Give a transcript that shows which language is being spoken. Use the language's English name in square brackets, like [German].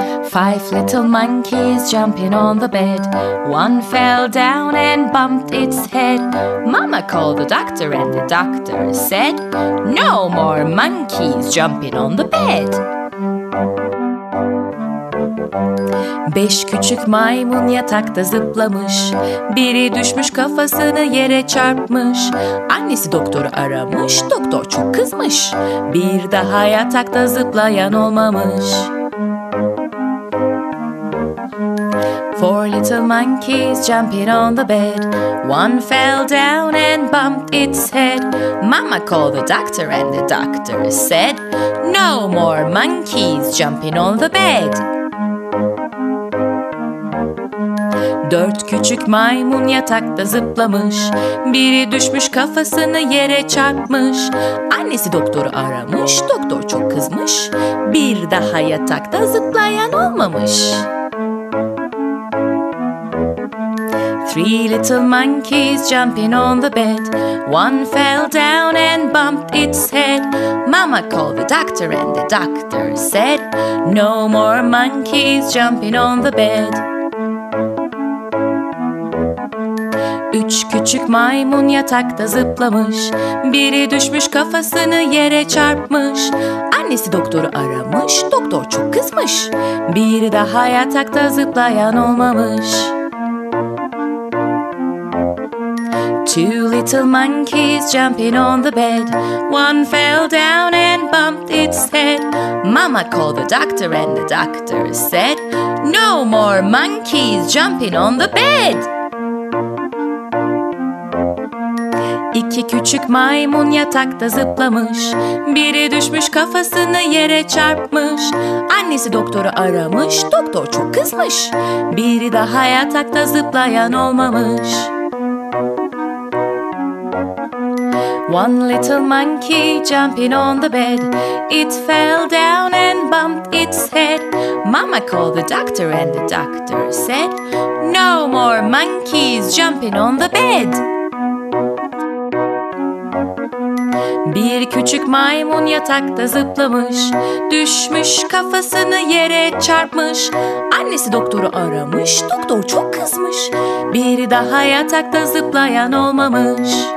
[English] Five little monkeys jumping on the bed. One fell down and bumped its head. Mama called the doctor and the doctor said, no more monkeys jumping on the bed. [Turkish] Beş küçük maymun yatakta zıplamış. Biri düşmüş kafasını yere çarpmış. Annesi doktoru aramış, doktor çok kızmış. Bir daha yatakta zıplayan olmamış. [English] Four little monkeys jumping on the bed. One fell down and bumped its head. Mama called the doctor and the doctor said, no more monkeys jumping on the bed. [Turkish] Dört küçük maymun yatakta zıplamış. Biri düşmüş kafasını yere çarpmış. Annesi doktoru aramış, doktor çok kızmış. Bir daha yatakta zıplayan olmamış. [English] Three little monkeys jumping on the bed. One fell down and bumped its head. Mama called the doctor and the doctor said, no more monkeys jumping on the bed. [Turkish] Üç küçük maymun yatakta zıplamış. Biri düşmüş kafasını yere çarpmış. Annesi doktoru aramış, doktor çok kızmış. Bir daha yatakta zıplayan olmamış. [English] Two little monkeys jumping on the bed. One fell down and bumped its head. Mama called the doctor and the doctor said, no more monkeys jumping on the bed. [Turkish] İki küçük maymun yatakta zıplamış. Biri düşmüş kafasını yere çarpmış. Annesi doktoru aramış, doktor çok kızmış. Biri daha yatakta zıplayan olmamış. [English] One little monkey jumping on the bed. It fell down and bumped its head. Mama called the doctor and the doctor said, no more monkeys jumping on the bed. [Turkish] Bir küçük maymun yatakta zıplamış. Düşmüş kafasını yere çarpmış. Annesi doktoru aramış, doktor çok kızmış. Bir daha yatakta zıplayan olmamış.